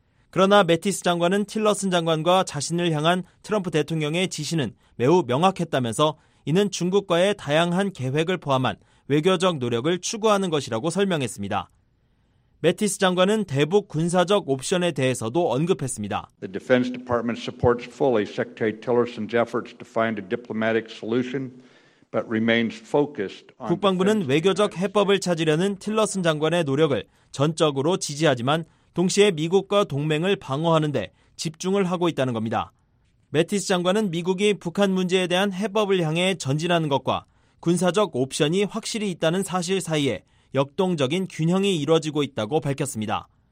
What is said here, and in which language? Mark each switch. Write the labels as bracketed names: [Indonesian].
[Korean] 그러나 매티스 장관은 틸러슨 장관과 자신을 향한 트럼프 대통령의 지시는 매우 명확했다면서 이는 중국과의 다양한 계획을 포함한 외교적 노력을 추구하는 것이라고 설명했습니다. 매티스 장관은 대북 군사적 옵션에 대해서도 언급했습니다. [English] The Defense Department supports fully Secretary Tillerson's efforts to find a diplomatic solution, but remains focused on [Korean] 국방부는 외교적 해법을 찾으려는 틸러슨 장관의 노력을 전적으로 지지하지만 동시에 미국과 동맹을 방어하는 데 집중을 하고 있다는 겁니다. 매티스 장관은 미국이 북한 문제에 대한 해법을 향해 전진하는 것과 군사적 옵션이 확실히 있다는 사실 사이에 역동적인 균형이 이루어지고 있다고 밝혔습니다.